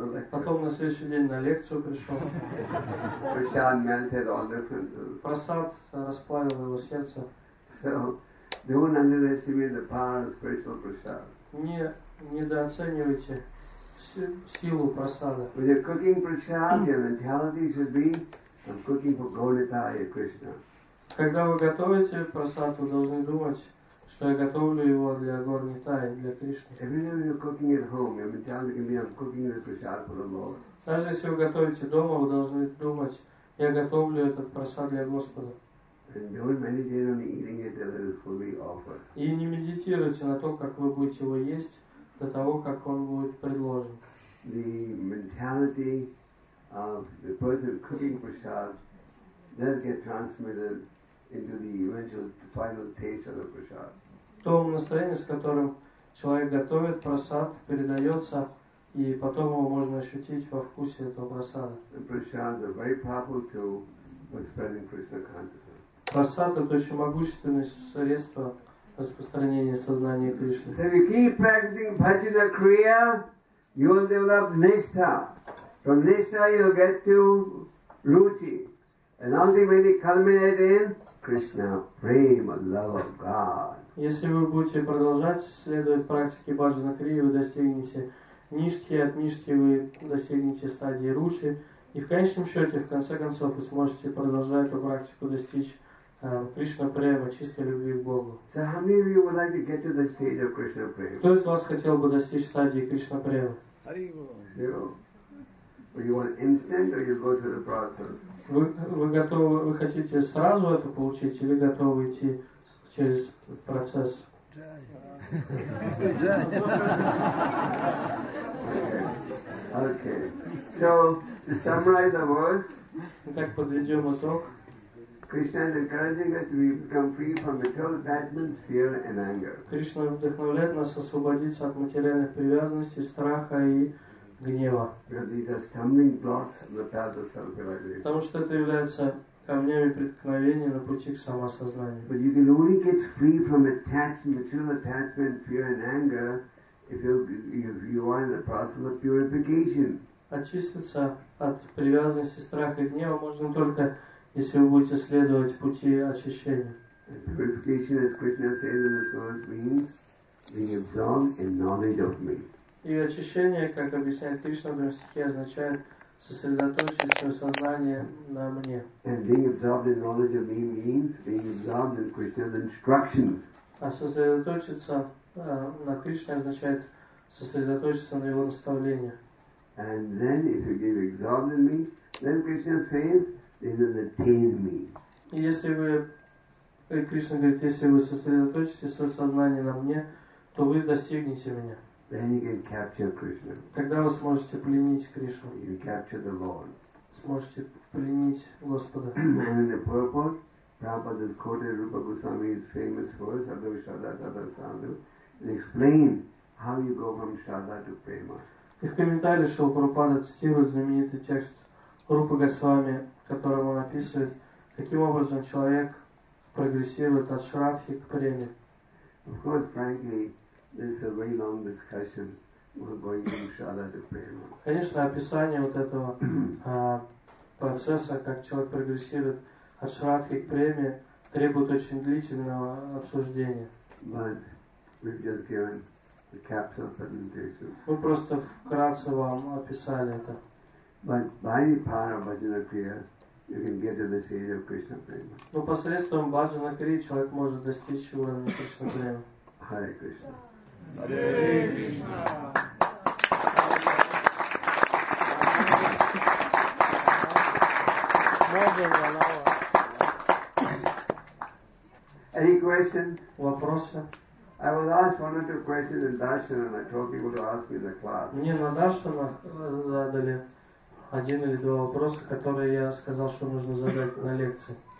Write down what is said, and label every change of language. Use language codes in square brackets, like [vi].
[ru] Потом на следующий день на лекцию пришел. [en] Prasad melted all differences. [ru] Прасад расплавил его сердце. [en] So, Don't underestimate the power of spiritual prasad. [ru] Недооценивайте силу прасада. [en] When you're cooking prasad, your mentality should be, I'm cooking for Gaudiya Krishna. [ru] Когда вы готовите прасад, вы должны думать, что я готовлю его для Гаудитаи, для Кришны. [en] Every time you're cooking at home, your mentality can be, I'm cooking the prasad for the Lord. [ru] Даже если вы готовите дома, вы должны думать, я готовлю этот прасад для Господа. И не медитируйте на то, как вы будете его есть, до того, как он будет предложен. [en] The mentality of the person cooking prasad does get transmitted into the eventual final taste of the prasad. [ru] То настроение, с которым человек готовит прасад, передается, и потом его можно ощутить во вкусе этого прасада. [en] The prasad is a very powerful tool for spreading Krishna consciousness. [ru] Прасад — это очень могущественное средство распространения сознания Кришны. [en] So if you keep practicing bhajana kriya, you will develop nishtha. From nishtha you will get to ruchi. And ultimately culminate in Krishna, prema, love of God. [ru] Если вы будете продолжать следовать практике bhajana kriya, вы достигнете нишки, от нишки вы достигнете стадии ручи. И в конечном счете, в конце концов, вы сможете продолжать эту практику достичь Кришна Према, чистой любви к Богу. [en] So how many of you would like to get to the stage of Krishna Prema? [ru] Кто из вас хотел бы достичь стадии Кришна Према? [en] You want instant or you go through the process? [ru] Вы хотите сразу это получить или готовы идти через процесс? [en] Okay. So to summarize the words. [ru] Итак, подведем итог. [en] Krishna is encouraging us to become free from material attachments, fear and anger. [ru] Кришна вдохновляет нас освободиться от материальных привязанностей, страха и гнева. [en] Because these are stumbling blocks on the path of self-realization. [ru] Потому что это является камнями преткновения на пути к самосознанию. [en] But you can only get free from attached material attachment, fear and anger if you are in the process of purification. [ru] Очиститься от привязанности, страха и гнева можно только если вы будете следовать пути очищения. [en] Purification, as Krishna says in the verse, means being absorbed in knowledge of me. [ru] И очищение, как объясняет Кришна в стихе, означает сосредоточить свое сознание на мне. [en] And being absorbed in knowledge of me means being absorbed in Krishna's instructions. [ru] А сосредоточиться на Кришне означает сосредоточиться на его наставлениях. [en] And then, if you get absorbed in me, then Krishna says, it will attain me. [ru] Если вы, Кришна говорит, если вы сосредоточите свое сознание на мне, то вы достигнете меня. [en] Then you can capture Krishna. [ru] Тогда вы сможете пленить Кришну. [en] You can capture the Lord. [ru] Сможете пленить Господа. [en] And in the purport, Prabhupada quoted Rupa Goswami's famous verse, Adho Shraddha Tadha Sadhu, and explained how you go from Shraddha to Prema. [ru] И в комментарии Шрила Прабхупада цитирует знаменитый текст Рупы Госвами, которому он описывает, каким образом человек прогрессирует от шрадхи к преме. [en] Of course, frankly, this is a very long discussion. We're going from shraddha to prema. [ru] Конечно, описание вот этого процесса, как человек прогрессирует от шрадхи к преме, требует очень длительного обсуждения. [en] But we've just given the capsule presentation. [ru] Мы просто вкратце вам описали это. [en] But by the power of bhajana kriya, you can get to the stage of Krishna Prema. [ru] Но посредством bhajana kriya человек может достичь уровня Кришна Према. [en] Hare Krishna. Hare Krishna. Any questions? [ru] Вопросы? [en] I was asked one or two questions in darshan and I told people to ask me in the class. [ru] Мне на даршанах задали один или два вопроса, которые я сказал, что нужно задать на лекции.